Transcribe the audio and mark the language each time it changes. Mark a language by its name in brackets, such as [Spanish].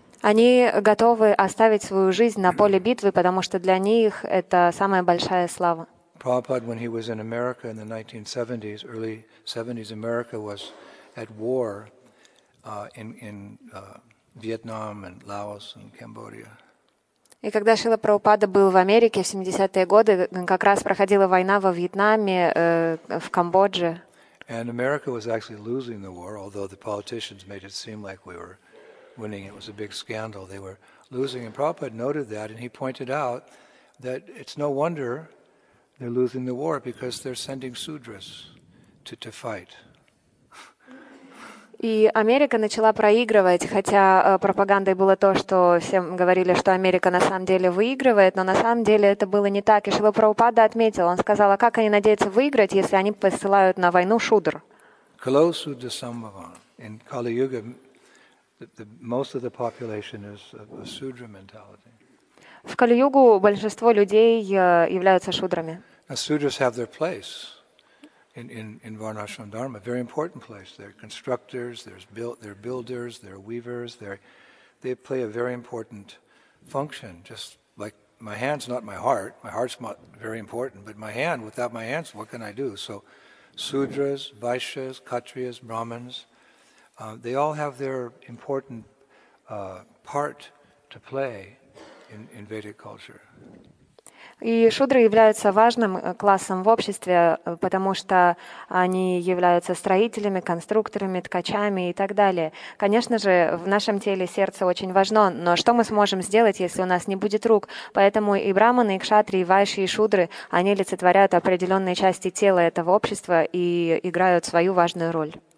[Russian] Они готовы оставить свою жизнь на поле битвы, потому что для них это самая большая слава. [English] Prabhupada, when he was in America in the 1970s, early 70s, America was at war in Vietnam and Laos and Cambodia. [Russian] И когда Шрила Прабхупада был в Америке в 70-е годы, как раз проходила война во Вьетнаме, в Камбодже. [English] And America was actually losing the war, although the politicians made it seem like we were winning. It was a big scandal. They were losing. And Prabhupada noted that, and he pointed out that it's no wonder they're losing the war because they're sending sudras to fight. [Russian] И Америка начала проигрывать, хотя пропагандой было то, что всем говорили, что Америка на самом деле выигрывает, но на самом деле это было не так. И Шрила Прабхупада отметил, он сказал, а как они надеются выиграть, если они посылают на войну шудр? [Sanskrit] Kalo Sudra Sambhava. [English] In Kali Yuga, most of the population is a sudra mentality. [Russian] В Кали-югу большинство людей являются шудрами. [English] Now, sudras have their place in Varnashram Dharma, very important place. They're constructors, they're builders, they're weavers, they play a very important function. Just like my hand's not my heart, my heart's not very important, but my hand, without my hands, what can I do? So sudras, vaishyas, kshatriyas, brahmins, they all have their important part to play in Vedic culture. [Russian] И шудры являются важным классом в обществе, потому что они являются строителями, конструкторами, ткачами и так далее. Конечно же, в нашем теле сердце очень важно, но что мы сможем сделать, если у нас не будет рук? Поэтому и брахманы, и кшатри, и вайши, и шудры, они олицетворяют определенные части тела этого общества и играют свою важную роль.